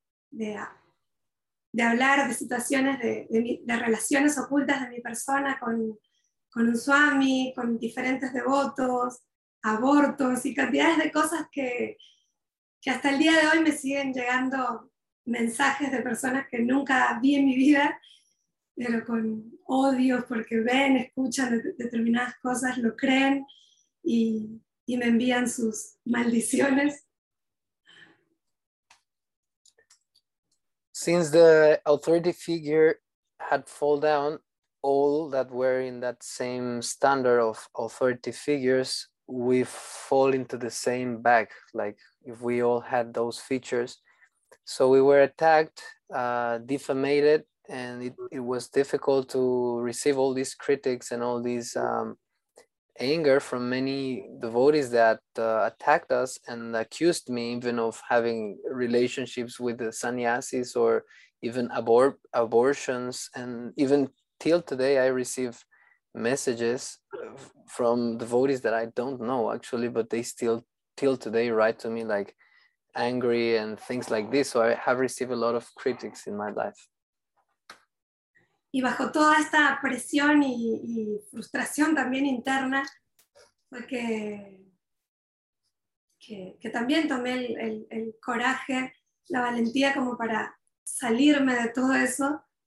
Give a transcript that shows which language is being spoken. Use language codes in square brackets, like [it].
[es] De hablar de situaciones, de relaciones ocultas de mi persona con un swami, con diferentes devotos, abortos y cantidades de cosas que hasta el día de hoy me siguen llegando mensajes de personas que nunca vi en mi vida, pero con odios porque ven, escuchan determinadas cosas, lo creen y me envían sus maldiciones. [en] Since the authority figure had fallen down, all that were in that same standard of authority figures, we fall into the same bag, like if we all had those features. So we were attacked, defamated, and it was difficult to receive all these critics and all these anger from many devotees that attacked us and accused me even of having relationships with the sannyasis or even abortions. And even till today I receive messages from devotees that I don't know actually, but they still till today write to me like angry and things like this. So I have received a lot of critics in my life. [es] Y bajo toda esta presión y frustración también interna, fue que también tomé el coraje, la valentía como para salirme de todo eso.